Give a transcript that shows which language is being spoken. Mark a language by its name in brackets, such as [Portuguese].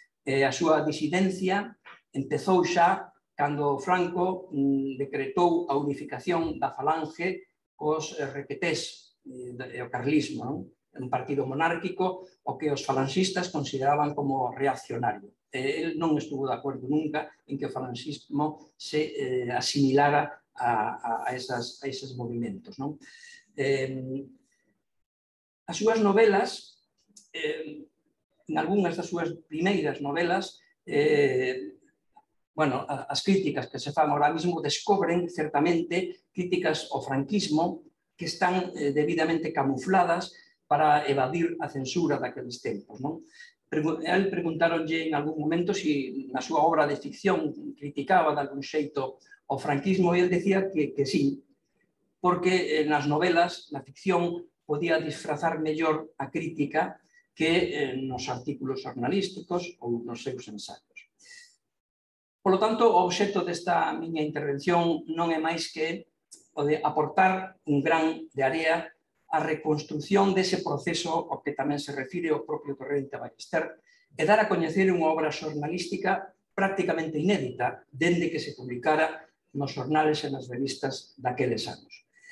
[Spanish] A su disidencia empezó ya cuando Franco decretó la unificación de la Falange con los requetés del carlismo, ¿no? Un partido monárquico o que los falangistas consideraban como reaccionario. Él no estuvo de acuerdo nunca en que el falangismo se asimilara a esos movimientos, ¿no? [Galician] As súas novelas, en algunhas das súas primeiras novelas, bueno, as críticas que se fan ahora mismo descobren, certamente, críticas ao franquismo que están debidamente camufladas para evadir a censura daqueles tempos, ¿no? Él preguntaronlle en algún momento si na súa obra de ficción criticaba de algún xeito [Spanish] o franquismo, y él decía que sí, porque en las novelas la ficción podía disfrazar mejor a crítica que en los artículos jornalísticos o en los seus ensayos. Por lo tanto, [Galician] o objeto desta miña intervención non é máis que o de aportar un gran de area a reconstrucción dese proceso ao que tamén se refire o propio Torrente Ballester e dar a coñecer unha obra xornalística prácticamente inédita dende que se publicara nos xornales e nas revistas daqueles anos.